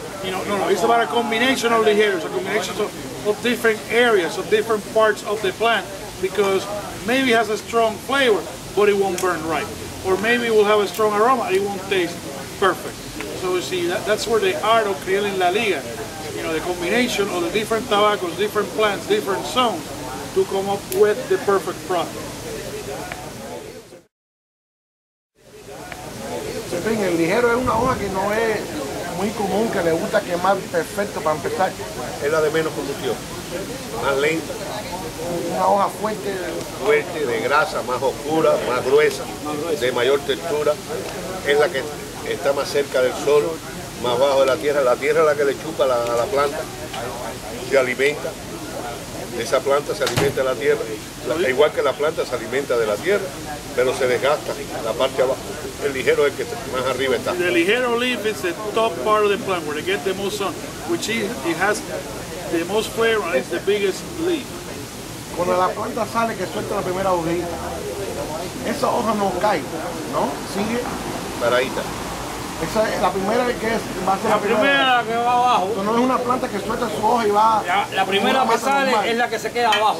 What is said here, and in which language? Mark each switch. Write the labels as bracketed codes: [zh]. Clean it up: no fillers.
[en] No, it's about a combination of ligeros, a combination of different areas, of different parts of the plant, because maybe it has a strong flavor, but it won't burn right. Or maybe it will have a strong aroma, it won't taste perfect. So you see, that's where the art of creating la liga, you know, the combination of the different tobaccos, different plants, different zones, to come up with the perfect product. [es] En el ligero es una hoja que no es muy común, que le gusta quemar perfecto para empezar. Es la de menos combustión, más lenta. Una hoja fuerte. Fuerte, de grasa, más oscura, más gruesa, de mayor textura. Es la que está más cerca del sol, más bajo de la tierra. La tierra es la que le chupa a la planta, se alimenta. Esa planta se alimenta de la tierra, igual que la planta se alimenta de la tierra, pero se desgasta la parte abajo. El ligero es el que más arriba está. [en] The ligero leaf is the top part of the plant where it gets the most sun, which is, it has the most flavor and it's the biggest leaf. [es] Cuando la planta sale, que suelta la primera hojita, esa hoja no cae, ¿no? Sigue. Paradita. Esa es la primera que es, va a ser la primera que va abajo. Pero no es una planta que suelta su hoja y va. La primera que sale es la que se queda abajo.